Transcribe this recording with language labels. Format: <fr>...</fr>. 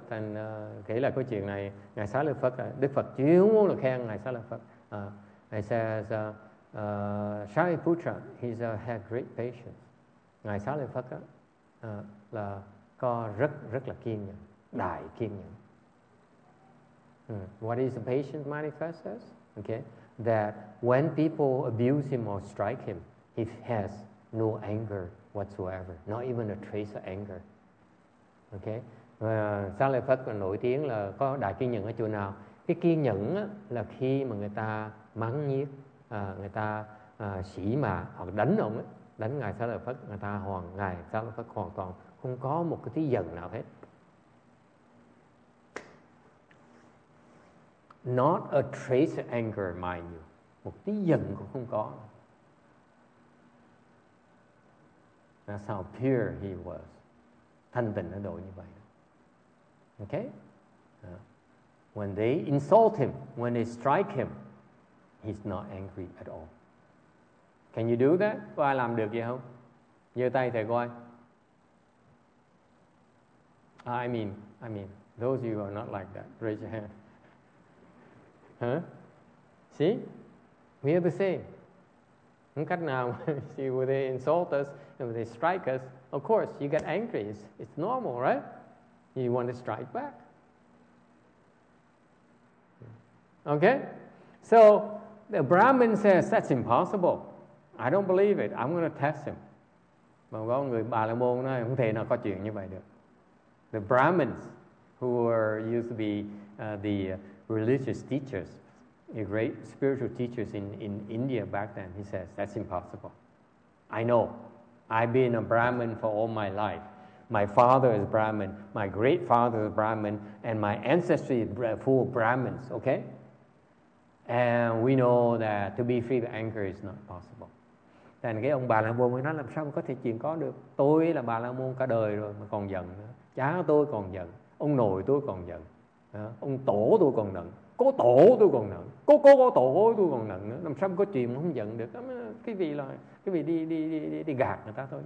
<vi>And kể lại câu chuyện này, ngài Xá Lợi Phất, Đức Phật chuyên môn là khen ngài Xá Lợi Phất.</vi> <en>He says, Shariputra, he's had great patience. Ngài Xá Lợi Phất</en> <vi>là có rất rất là kiên nhẫn, đại kiên nhẫn.</vi> <en>What is the patient manifests as? Okay, that when people abuse him or strike him, he has no anger whatsoever, not even a trace of anger. Okay,</en> <vi>Sa Lợi Phất còn nổi tiếng là có đại kiên nhẫn ở chỗ nào? Cái kiên nhẫn là khi mà người ta mắng nhiếc, người ta sỉ mạ hoặc đánh ông ấy, đánh ngài Sa Lợi Phất, người ta hoàn ngài Sa Lợi Phất hoàn toàn không có một cái tí giận nào hết.</vi> <en>Not a trace of anger, mind you.</en> <vi>Một tí giận cũng không có.</vi> <en>That's how pure he was.</en> <vi>Thanh tịnh nó đổi như vậy.</vi> <en>Okay? When they insult him, when they strike him, he's not angry at all. Can you do that?</en> <vi>Có ai làm được gì không? Giơ tay thầy coi.</vi> <en>I mean, those of you who are not like that, raise your hand. Huh? See? We are the same.</en> <vi>Không cách nào.</vi> <en>See, when they insult us, when they strike us, of course, you get angry. It's normal, right? You want to strike back. Okay? So, the Brahmin says, that's impossible. I don't believe it. I'm going to test him.</en> <vi>Mà có người Bà La Môn nói, không thể nào có chuyện như vậy được.</vi> <en>The Brahmins, who were used to be the religious teachers, the great spiritual teachers in India back then, he says, that's impossible. I know. I've been a Brahmin for all my life. My father is Brahmin. My great father is Brahmin. And my ancestry is full of Brahmins, okay? And we know that to be free of anger is not possible.</en> <vi>Thì cái ông Bà La Môn mới nói làm sao mà có thể chuyện có được. Tôi là Bà La Môn cả đời rồi mà còn giận nữa. Cha tôi còn giận, ông nội tôi còn giận, ông tổ tôi còn giận, cố tổ tôi còn giận, cố tổ tôi còn giận nữa. Làm sao mà có chuyện mà không giận được. Cái vị là cái vị đi gạt người ta thôi.</vi>